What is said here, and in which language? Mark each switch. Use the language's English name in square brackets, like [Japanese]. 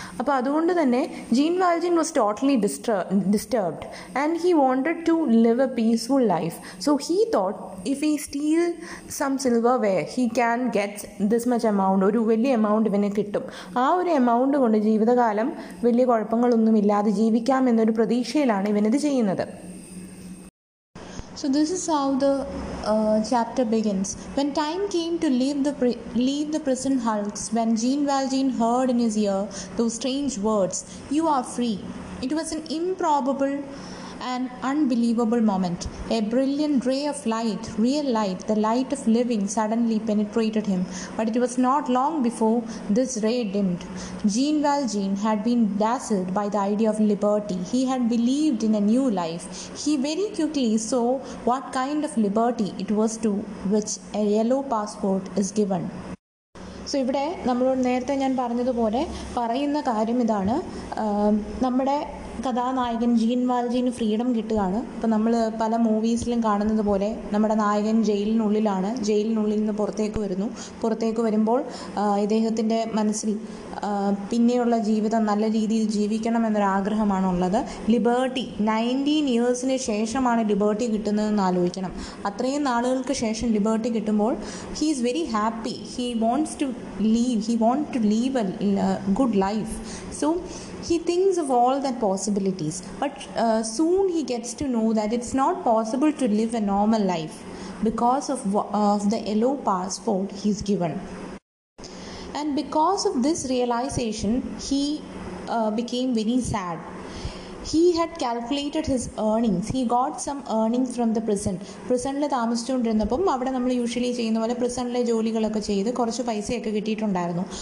[Malayalam] അപ്പോൾ അതുകൊണ്ട് തന്നെ [English] Jean Valjean was totally disturbed and he wanted to live a peaceful life. So he thought if he steal some silverware, he can get this much amount, [Malayalam] ഒരു വലിയ amount ഇവന് കിട്ടും. ആ ഒരു amount കൊണ്ട് ജീവിതകാലം വലിയ കുഴപ്പങ്ങളൊന്നും ഇല്ലാതെ ജീവിക്കാം എന്നൊരു പ്രതീക്ഷയിലാണ് ഇവനിത് ചെയ്യുന്നത്. [English] So this is how the chapter begins. When time came to leave the prison hulks, when Jean Valjean heard in his ear those strange words, "You are free," it was an improbable and unbelievable moment. A brilliant ray of light, real light, the light of living, suddenly penetrated him. But it was not long before this ray dimmed. Jean Valjean had been dazzled by the idea of liberty. He had believed in a new life. He very quickly saw what kind of liberty it was to which a yellow passport is given. [Malayalam] So ഇവിടെ നമ്മളോട് നേരത്തെ ഞാൻ പറഞ്ഞതുപോലെ പറയുന്ന കാര്യം ഇതാണ്, നമ്മുടെ കഥാനായകൻ gene വാൽജീന് freedom കിട്ടുകയാണ്. ഇപ്പം നമ്മൾ പല മൂവീസിലും കാണുന്നത് പോലെ നമ്മുടെ നായകൻ ജയിലിനുള്ളിലാണ്, ജയിലിനുള്ളിൽ നിന്ന് പുറത്തേക്ക് വരുന്നു. പുറത്തേക്ക് വരുമ്പോൾ ഇദ്ദേഹത്തിൻ്റെ മനസ്സിൽ പിന്നെയുള്ള ജീവിതം നല്ല രീതിയിൽ ജീവിക്കണമെന്നൊരാഗ്രഹമാണുള്ളത്. ലിബേർട്ടി 19 ഇയേഴ്സിന് ശേഷമാണ് ലിബേർട്ടി കിട്ടുന്നതെന്ന് ആലോചിക്കണം. അത്രയും നാളുകൾക്ക് ശേഷം ലിബേർട്ടി കിട്ടുമ്പോൾ [English] He is very happy, he wants to leave a good life. So he thinks of all the possibilities, but soon he gets to know that it's not possible to live a normal life because of the yellow passport he's given. And because of this realization, he became very sad. He had calculated his earnings. He got some earnings from the prison. [Malayalam] പ്രിസണിൽ താമസിച്ചുകൊണ്ടിരുന്നപ്പം അവിടെ നമ്മൾ usually ചെയ്യുന്ന പോലെ പ്രിസണിലെ ജോലികളൊക്കെ ചെയ്ത് കുറച്ച് പൈസയൊക്കെ കിട്ടിയിട്ടുണ്ടായിരുന്നു.